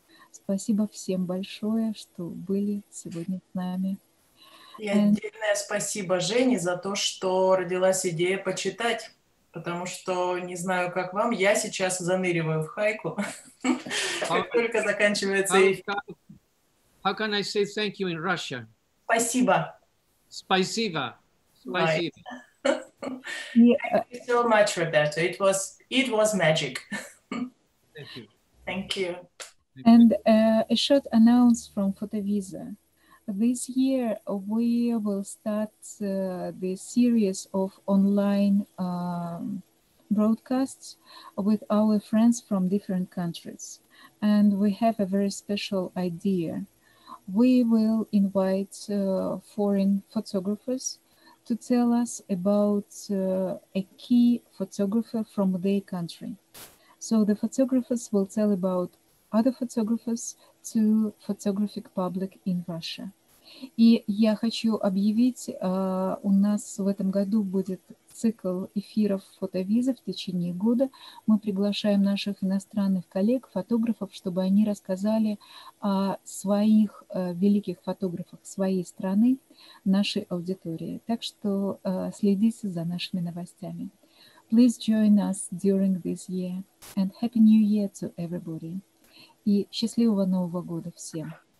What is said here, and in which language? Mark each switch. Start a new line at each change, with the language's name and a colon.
Russian: Спасибо всем большое, что были сегодня с нами. И отдельное спасибо Жене за то, что родилась идея почитать. Потому что, не знаю, как вам, я сейчас заныриваю в хайку, как только заканчивается эфир.
English: How can I say thank you in Russian?
Russian: Спасибо. Спасибо. Спасибо.
English: Thank you so much, Roberto. It was magic. Thank you. And a short announce from Fotovisa. This year, we will start the series of online broadcasts with our friends from different countries. And we have a very special idea. We will invite foreign photographers to tell us about a key photographer from their country. So the photographers will tell about other photographers to photographic public in Russia.
Russian: И я хочу объявить, у нас в этом году будет цикл эфиров Фотовиза в течение года. Мы приглашаем наших иностранных коллег, фотографов, чтобы они рассказали о своих великих фотографах своей страны, нашей аудитории. Так что следите за нашими новостями.
English: Please join us during this year and Happy New Year to everybody.
Russian: И счастливого Нового года всем.